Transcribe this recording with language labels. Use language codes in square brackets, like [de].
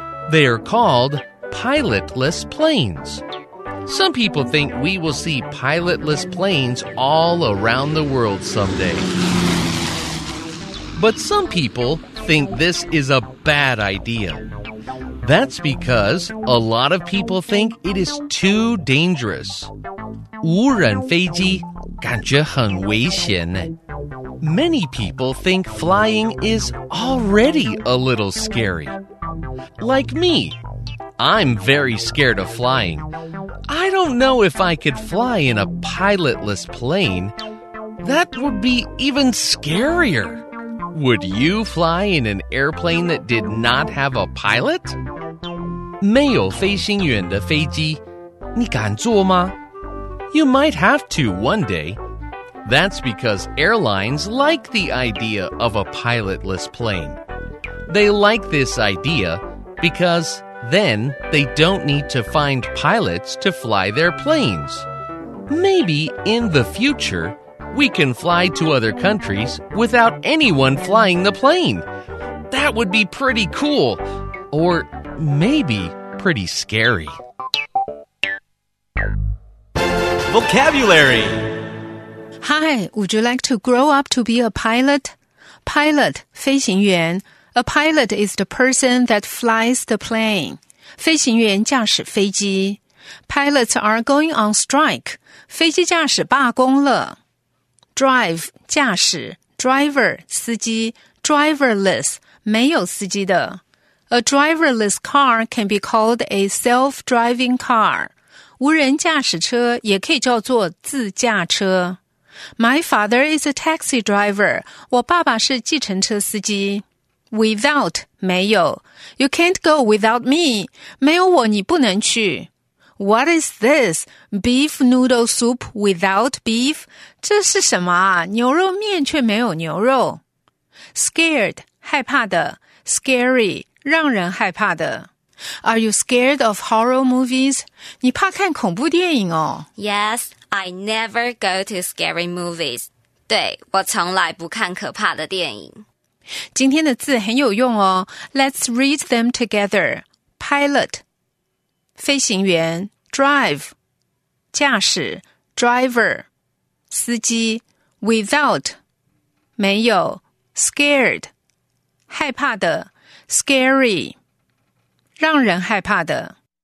[en] They are called pilotless planes. Some people think we will see pilotless planes all around the world someday. But some people think this is a bad idea. That's because a lot of people think it is too dangerous. [zh] 无人飞机感觉很危险呢。 [en] Many people think flying is already a little scary. Like me. I'm very scared of flying. I don't know if I could fly in a pilotless plane. That would be even scarier. Would you fly in an airplane that did not have a pilot? [zh] 没有飞行员的飞机，你敢坐吗？ [en] You might have to one day. That's because airlines like the idea of a pilotless plane. They like this idea because then they don't need to find pilots to fly their planes. Maybe in the future, we can fly to other countries without anyone flying the plane. That would be pretty cool, or maybe pretty scary. Vocabulary. Hi, would you like to grow up to be a pilot? Pilot, [zh] 飞行员. [en] A pilot is the person that flies the plane. [zh] 飞行员驾驶飞机. [en] Pilots are going on strike. [zh] 飞机驾驶罢工了. [en] Drive, [zh] 驾驶. [en] Driver, [zh] 司机. [en] Driverless, [zh] 没有司机的. [en] A driverless car can be called a self-driving car. [zh] 无人驾驶车也可以叫做自驾车。 [en] My father is a taxi driver. [zh] 我爸爸是计程车司机。 [en] Without, [zh] 没有。 [en] You can't go without me. [zh] 没有我你不能去。 [en] What is this? Beef noodle soup without beef? [zh] 这是什么啊?牛肉面却没有牛肉。 [en] Scared, [zh] 害怕的。 [en] Scary, [zh] 让人害怕的。 [en] Are you scared of horror movies? [zh] 你怕看恐怖电影哦。 [en] Yes. I never go to scary movies. [zh] 对,我从来不看可怕的电影。今天的字很有用哦。 [en] Let's read them together. Pilot, 飞行员 Drive, 驾驶 Driver, 司机 Without, 没有 Scared, 害怕的 Scary, 让人害怕的。